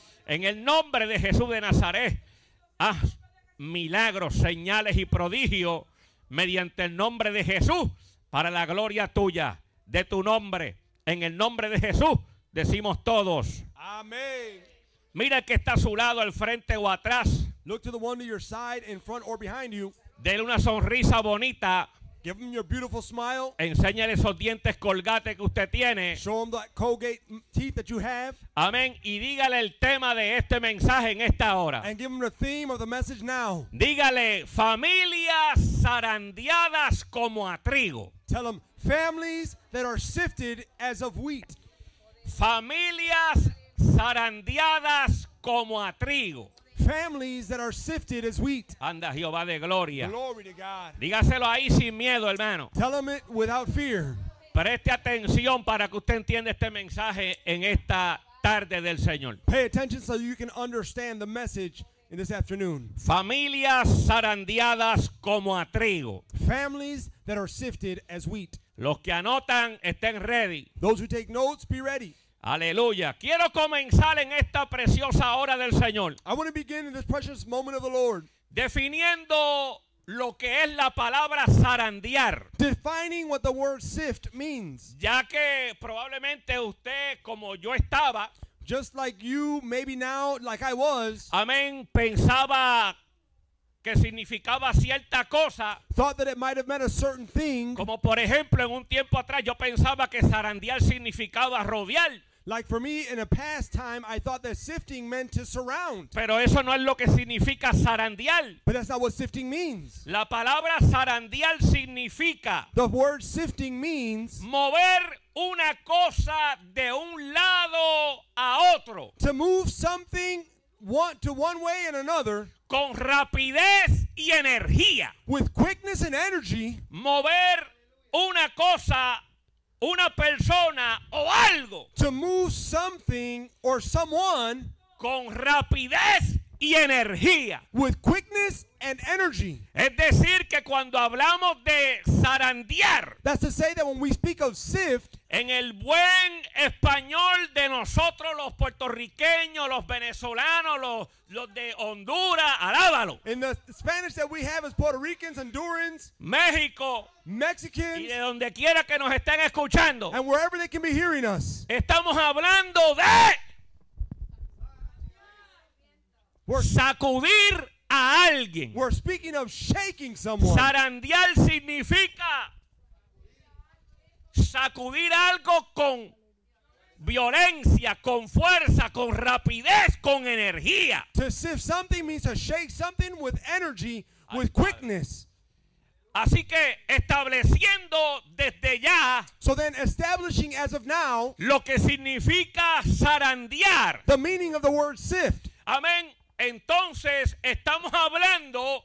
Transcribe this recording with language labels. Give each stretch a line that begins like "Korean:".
Spanish: En el nombre de Jesús de Nazaret, haz milagros, señales y prodigios mediante el nombre de Jesús, para la gloria tuya, de tu nombre. En el nombre de Jesús, decimos todos. Amén. Mira el que está a su lado, al frente o atrás.
English: Look to the one to your side, in front or behind you.
Spanish: Dele una sonrisa bonita.
English: Give him your beautiful smile.
Spanish: Enséñale esos dientes Colgate que usted tiene.
English: Show him the Colgate teeth that you have.
Spanish: Amén. Y dígale el tema de este mensaje en esta hora.
English: And give him the theme of the message now.
Spanish: Dígale, familias zarandeadas como a trigo.
English: Tell him, families that are sifted as of wheat.
Spanish: Familias zarandeadas como a trigo.
English: Families that are sifted as wheat.
Spanish: Anda, Jehová de gloria.
English: Glory to God.
Spanish: Dígaselo ahí sin miedo, hermano.
English: Tell them it without fear.
Spanish: Preste atención para que usted entienda este mensaje en esta tarde del Señor.
English: Pay attention so you can understand the message in this afternoon.
Spanish: Familias zarandeadas como a trigo.
English: Families that are sifted as wheat.
Spanish: Los que anotan, estén ready.
English: Those who take notes, be ready.
Spanish: Aleluya. Quiero comenzar en esta preciosa hora del Señor.
English: I want to begin in this precious moment of the Lord.
Spanish: Definiendo lo que es la palabra zarandear.
English: Defining what the word sift means.
Spanish: Ya que probablemente usted, como yo estaba,
English: just like you, maybe now, like I was,
Spanish: amén, pensaba que significaba cierta cosa.
English: Thought that it might have meant a certain thing.
Spanish: Como por ejemplo, en un tiempo atrás yo pensaba que zarandear significaba rodear.
English: Like for me, in a past time, I thought that sifting meant to surround.
Spanish: Pero eso no es lo que significa zarandear.
English: But that's not what sifting means.
Spanish: La palabra zarandear significa,
English: the word sifting means,
Spanish: mover una cosa de un lado a otro.
English: To move something one, to one way and another.
Spanish: Con rapidez y energía.
English: With quickness and energy.
Spanish: Mover una cosa, una persona o algo.
English: To move something or someone.
Spanish: Con rapidez y energía.
English: With quickness and energy.
Spanish: Es decir, que cuando hablamos de zarandear.
English: That's to say that when we speak of sift.
Spanish: En el buen español de nosotros, los puertorriqueños, los venezolanos, los de Honduras, alábalo.
English: In the Spanish that we have is Puerto Ricans, Hondurans,
Spanish: México,
English: Mexicans,
Spanish: y de donde quiera que nos estén escuchando.
English: And wherever they can be hearing us.
Spanish: Estamos hablando de sacudir a alguien.
English: We're speaking of shaking someone.
Spanish: Zarandear significa sacudir algo con violencia, con fuerza, con rapidez, con energía.
English: To sift something means to shake something with energy, with quickness.
Spanish: Así que estableciendo desde ya,
English: so then establishing as of now,
Spanish: lo que significa zarandear,
English: the meaning of the word sift.
Spanish: Amén. Entonces estamos hablando,